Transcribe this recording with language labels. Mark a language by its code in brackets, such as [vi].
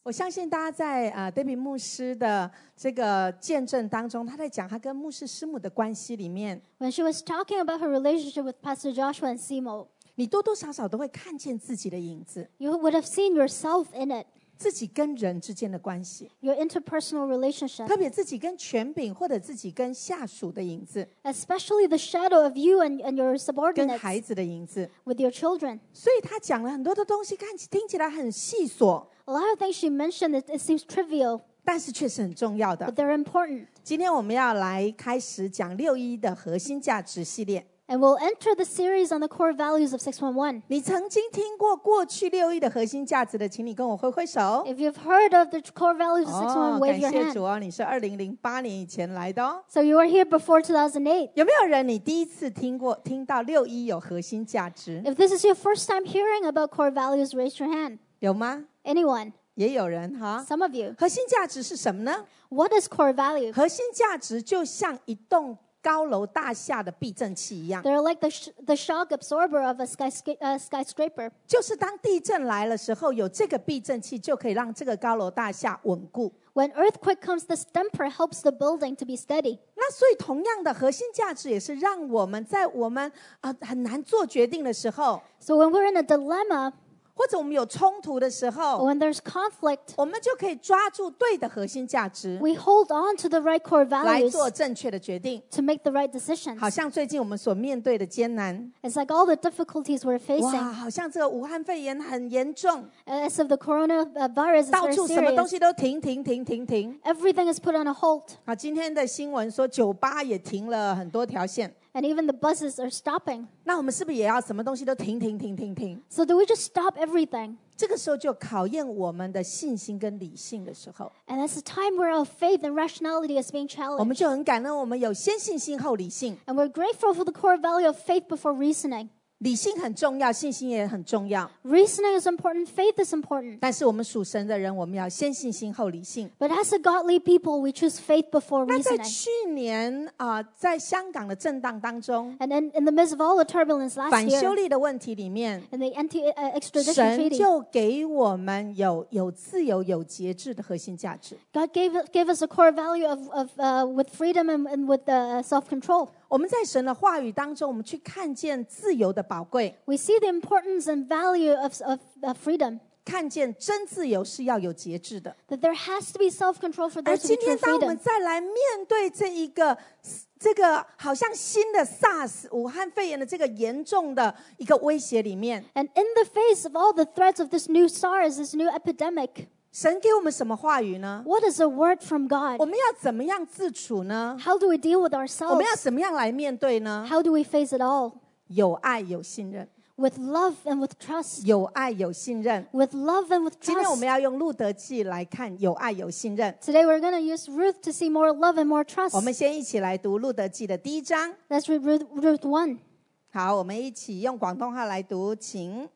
[zh] 我相信大家在David 牧师的这个见证当中，他在讲他跟牧师师母的关系里面。 [en] When she was talking about her relationship with Pastor Joshua and Simo， [zh] 你多多少少都会看见自己的影子。 [en] You would have seen yourself in it。 [zh] 自己跟人之间的关系 [en] ，your interpersonal relationship， [zh] 特别自己跟权柄或者自己跟下属的影子 [en] ，especially the shadow of you and your subordinates， [zh] 跟孩子的影子 [en] ，with your children。 [zh] 所以他讲了很多的东西，看听起来很细琐 [en] ，a lot of things she mentioned it seems trivial， [zh] 但是却是很重要的 [en] ，but they're important。 [zh] 今天我们要来开始讲六一的核心价值系列。 [en] And we'll enter the series on the core values of 611. [zh] 你曾经听过过去六一的核心价值的，请你跟我挥挥手。 [en] If you've heard of the core values of 611, wave your hand. [zh] 感谢主啊，你是2008年以前来的哦。 [en] So you were here before 2008. [zh] 有没有人你第一次听到六一有核心价值 [en] ？If this is your first time hearing about core values, raise your hand. [zh] 有吗 [en] ？Anyone? [zh] 也有人哈。 [en] Some of you. [zh] 核心价值是什么呢 [en] ？What is core value? [zh] 核心价值就像一栋。高楼大厦的避震器一样 [en] They're like the shock absorber of a skyscraper [zh] 就是当地震来的时候有这个避震器就可以让这个高楼大厦稳固 [en] When earthquake comes, the damper helps the building to be steady [zh] 那所以同样的核心价值也是让我们在我们很难做决定的时候 [en] So when we're in a dilemma [zh] 或者我们有冲突的时候 [en] When there's conflict [zh] 我们就可以抓住对的核心价值 [en] We hold on to the right core values [zh] 来做正确的决定 [en] To make the right decisions [zh] 好像最近我们所面对的艰难 [en] It's like all the difficulties we're facing [zh] 哇好像这个武汉肺炎很严重 [en] As if the coronavirus is very serious [zh] 到处什么东西都停 [en] Everything is put on a halt [zh] 好今天的新闻说酒吧也停了很多条线 [en] And even the buses are stopping. [zh] 那我们是不是也要什么东西都停 [en] So do we just stop everything? [zh] 这个时候就考验我们的信心跟理性的时候 [en] And that's the time where our faith and rationality is being challenged. [zh] 我们就很感恩我们有先信心后理性 [en] And we're grateful for the core value of faith before reasoning. [zh] 理性很重要，信心也很重要 [en] Reasoning is important, faith is important. [zh] 但是我们属神的人，我们要先信心后理性 [en] But as a godly people, we choose faith before reasoning. [zh] 那在去年在香港的震荡当中 [en] And then in the midst of all the turbulence last year [zh] 反修例的问题里面 [en] In the anti-extradition treaty [zh] 神就给我们 有自由有节制的核心价值 [en] God gave us a core value of with freedom and with self-control [zh] 我们在神的话语当中我们去看见自由的宝贵 [en] We see the importance and value of freedom [zh] 看见真自由是要有节制的 [en] That there has to be self-control for there to be true freedom [zh] 而今天当我们再来面对这个好像新的 SARS 武汉肺炎的这个严重的一个威胁里面 [en] And in the face of all the threats of this new SARS, this new epidemic [zh] 神给我们什么话语呢 [en] What is a word from God? [zh] 我们要怎么样自处呢 [en] How do we deal with ourselves? [zh] 我们要怎么样来面对呢 [en] How do we face it all? [zh] 有爱有信任 [en] With love and with trust [zh] 有爱有信任 [en] With love and with trust [zh] 今天我们要用路德记来看有爱有信任 [en] Today we're going to use Ruth to see more love and more trust [zh] 我们先一起来读路德记的第一章 [en] Let's read Ruth 1 [zh] 好我们一起用广东话来读请